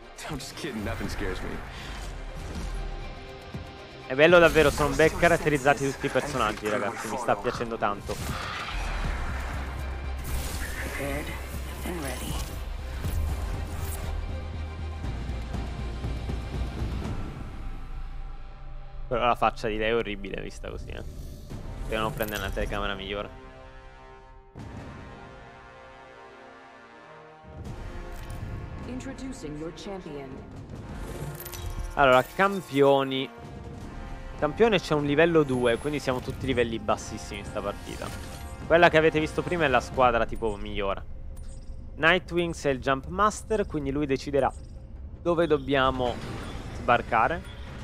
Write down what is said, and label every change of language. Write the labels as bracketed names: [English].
[English] I'm just kidding, nothing scares me. [Italian] È bello davvero, sono ben caratterizzati tutti i personaggi, ragazzi. Mi sta piacendo tanto. Però la faccia di lei è orribile vista così, eh. Devo prendere una telecamera migliore. [English] Introducing your champion. [Italian] Allora, campioni. Campione c'è un livello 2, quindi siamo tutti livelli bassissimi in sta partita. Quella che avete visto prima è la squadra tipo migliore. Nightwings è il Jump Master, quindi lui deciderà dove dobbiamo sbarcare.